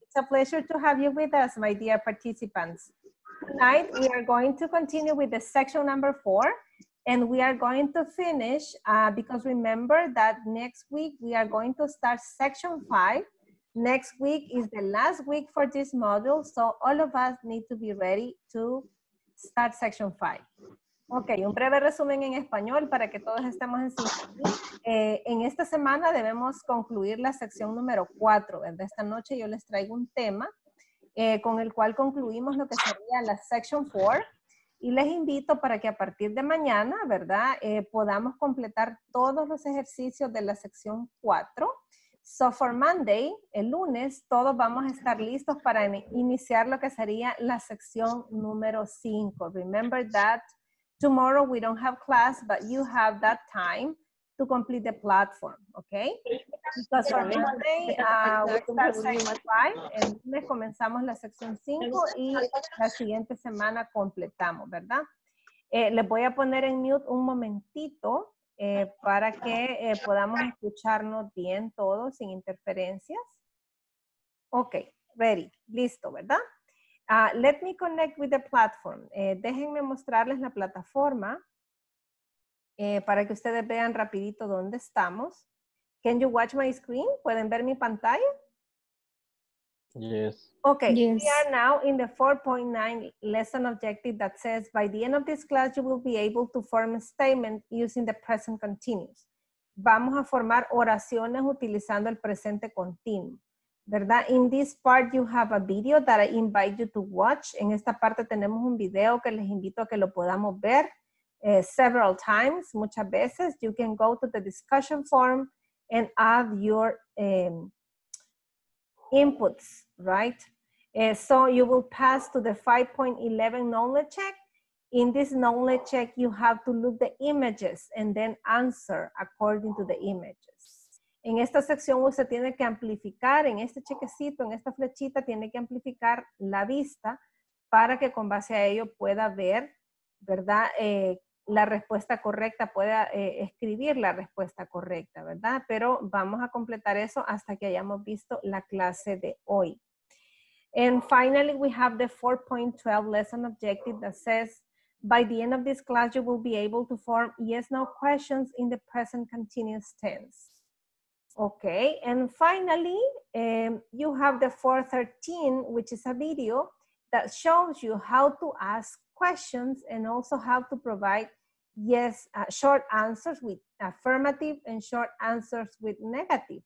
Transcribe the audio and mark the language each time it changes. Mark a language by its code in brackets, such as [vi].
[en] It's a pleasure to have you with us, my dear participants. Tonight, we are going to continue with the section number 4. And we are going to finish, because remember that next week we are going to start section 5. Next week is the last week for this module, so all of us need to be ready to start section 5. [es] Ok, un breve resumen en español para que todos estemos en sintonía. En esta semana debemos concluir la sección número 4. En esta noche yo les traigo un tema con el cual concluimos lo que sería la section 4. Y les invito para que a partir de mañana, ¿verdad?, podamos completar todos los ejercicios de la sección 4. [en] So for Monday, [es] el lunes, todos vamos a estar listos para iniciar lo que sería la sección número 5. [en] Remember that tomorrow we don't have class, but you have that time to complete the platform, okay? Because for Monday, we start section 5, [es] el lunes comenzamos la sección 5 y la siguiente semana completamos, ¿verdad? Les voy a poner en mute un momentito para que podamos escucharnos bien todos sin interferencias. [en] Okay, ready, [es] listo, ¿verdad? [en] Let me connect with the platform. [es] Déjenme mostrarles la plataforma. Para que ustedes vean rapidito dónde estamos. [en] Can you watch my screen? [es] ¿Pueden ver mi pantalla? [en] Yes. Okay, yes. We are now in the 4.9 lesson objective that says by the end of this class you will be able to form a statement using the present continuous. [es] Vamos a formar oraciones utilizando el presente continuo. ¿Verdad? [en] In this part you have a video that I invite you to watch. [es] En esta parte tenemos un video que les invito a que lo podamos ver. [en] Several times, [es] muchas veces, [en] you can go to the discussion forum and add your inputs, right? So you will pass to the 5.11 knowledge check. In this knowledge check, you have to look the images and then answer according to the images. [es] En esta sección, usted tiene que amplificar, en este chequecito, en esta flechita, tiene que amplificar la vista para que con base a ello pueda ver, ¿verdad? La respuesta correcta, pueda escribir la respuesta correcta, ¿verdad? Pero vamos a completar eso hasta que hayamos visto la clase de hoy. [en] And finally, we have the 4.12 lesson objective that says, by the end of this class, you will be able to form yes-no questions in the present continuous tense. Okay, and finally, you have the 4.13, which is a video that shows you how to ask questions and also how to provide yes, short answers with affirmative and short answers with negative.